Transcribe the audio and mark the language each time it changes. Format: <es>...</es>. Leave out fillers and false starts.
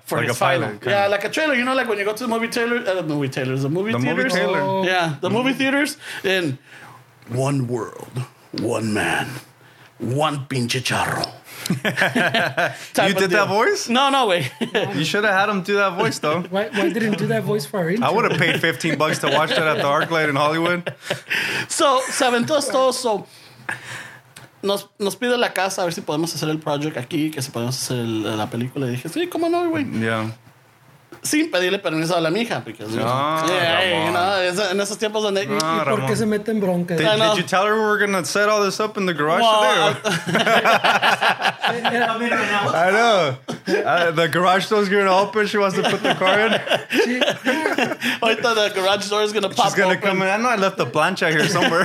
<en>For like his a final. Pilot, yeah, of. Like a trailer. You know, like when you go to the movie trailer, movie theaters in one world, one man, one pinche charro. You did that voice? No way. You should have had him do that voice though. Why didn't do that voice for our intro? I would have paid $15 to watch that at the Arclight in Hollywood.</en> <es>So se aventó esto. So nos pide la casa a ver si podemos hacer el project aquí, que si podemos hacer la película. Y dije, sí, cómo no, güey.</es> <en>Yeah.</en> <es>Sin pedirle permiso a la mija, porque en esos tiempos donde ¿por qué se meten broncas?</es> <en>Did you tell her we were gonna set all this up in the garage today? I know. The garage door's gonna open. She wants to put the car in. I thought the garage door is gonna pop. She's gonna open. Come in. I know. I left the plancha here somewhere.</en>